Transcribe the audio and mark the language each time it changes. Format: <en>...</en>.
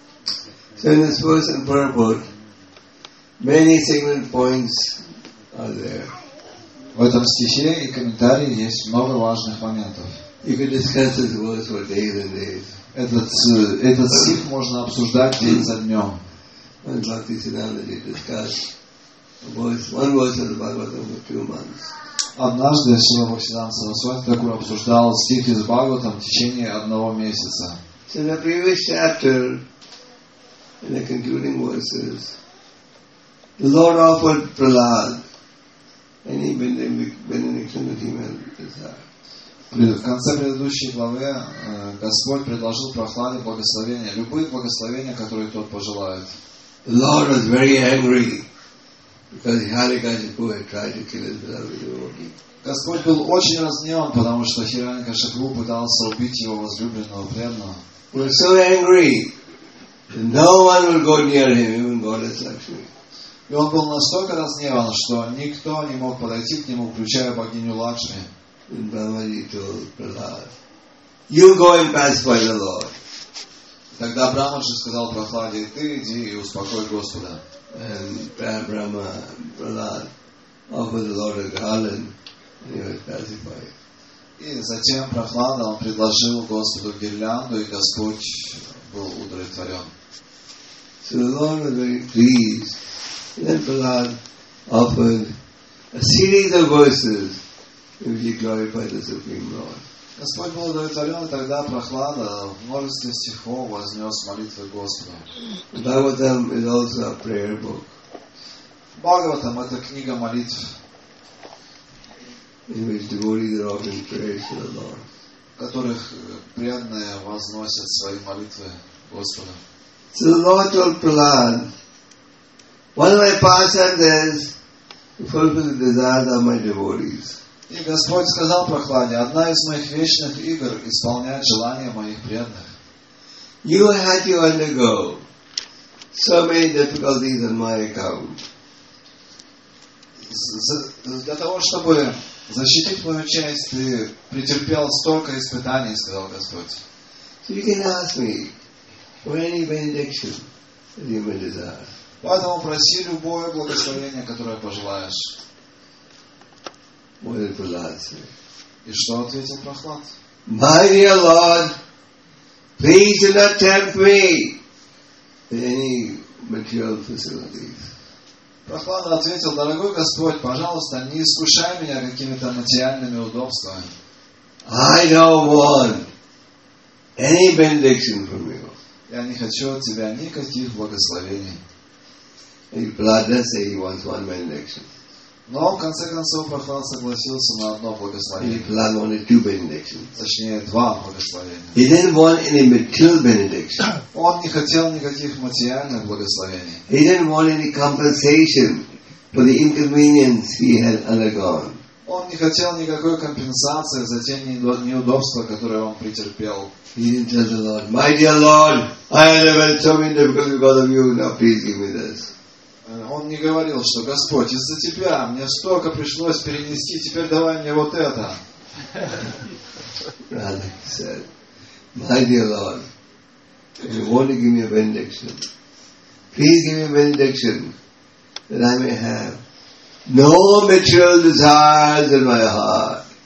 <en>So in this verse in Prabhupada, many significant points are there.</en> <ru>В этом стихе и комментарии есть много важных моментов.</ru> <en>You could discuss this verse for days and days.</en> <ru>Этот стих можно обсуждать день за днем.</ru> <en>And Bhakti Siddhanta did discuss one verse of the Bhagavatam for 2 months.</en> <ru>Однажды Шрила Бхактисиддханта Сарасвати Такур обсуждал стихи с Бхагаватом в течение 1 месяца.</ru> <en>So in the previous chapter, in the concluding verses, the Lord offered Prahlad any benediction that he may desire.</en> <ru>В конце предыдущей главы Господь предложил Прахладе благословения, любые благословения, которые тот пожелает.</ru> <en>The Lord was very angry. Because Hiranyakashipu had tried to kill his beloved devotee.</en> <ru>Господь был очень разгневан, потому что Хираньякашипу пытался убить его возлюбленного преданного.</ru> <en>He was so angry that no one would go near him, even Goddess Lakshmi.</en> <ru>И он был настолько разгневан, что никто не мог подойти к нему, включая богиню Лакшми.</ru> <en>And Brahmaji told Prahlad, "You go and pacify the Lord."</en> <ru>Тогда Брахмаджи сказал Прахладе, "Ты иди и успокой Господа."</ru> <en>And Brahma, Prahlad, offered the Lord a garland, and he was pacified.</en> <ru>И затем Прахлада он предложил Господу гирлянду, и Господь был удовлетворен.</ru> <en>So the Lord was very pleased. Then Prahlad offered a series of verses in which he glorified the Supreme Lord.</en> <ru>Господь был удовлетворен, и тогда Прахлада в множестве стихов вознес молитвы Господу.</ru> <en>Bhagavatam is also a prayer book.</en> <ru>Bhagavatam — это книга молитв,</ru> <en>in which devotees are offering prayers to the Lord.</en> <ru>В которых преданные возносят свои молитвы Господу.</ru> <en>So the Lord told Prahlad, one of my pastimes is fulfill the desires of my devotees.</en> <ru>И Господь сказал Прахладе, одна из моих вечных игр — исполнять желания моих преданных.</ru> <en>You had to undergo so many difficulties on my account.</en> <ru>Для того, чтобы защитить мою честь, ты претерпел столько испытаний, сказал Господь.</ru> <en>So you can ask me for any benediction that you may desire.</en> <ru>Поэтому проси любое благословение, которое пожелаешь. Moje relatie. Is dat weer zo'n prachtig?</ru> <en>My dear Lord, please do not tempt me with any material facilities.</en> <ru>Прохлада ответил, дорогой Господь, пожалуйста, не искушай меня какими-то материальными удобствами.</ru> <en>I don't want any benediction from you.</en> <ru>Я не хочу от тебя никаких благословений.</ru> <en>And Prahlad didn't say he wants one benediction.</en> <ru>Но в конце концов Прохлад согласился на одно благословение.</ru> <en>And Prahlad wanted two benedictions.</en> <ru>Точнее, два благословения.</ru> <en>He didn't want any material benediction.</en> <ru>Он не хотел никаких материальных благословений.</ru> <en>He didn't want any compensation for the inconvenience he had undergone.</en> <ru>Он не хотел никакой компенсации за те неудобства, которые он претерпел.</ru> <en>He didn't tell the Lord, my dear Lord, I had a very terrible difficulty because of you, now please give me this.</en> <ru>Он не говорил, что Господь, из-за тебя мне столько пришлось перенести, теперь давай мне вот это.</ru> <en>Rather he said, my dear Lord, if you want to give me a benediction, please give me a benediction that I may have no material desires in my heart.</en>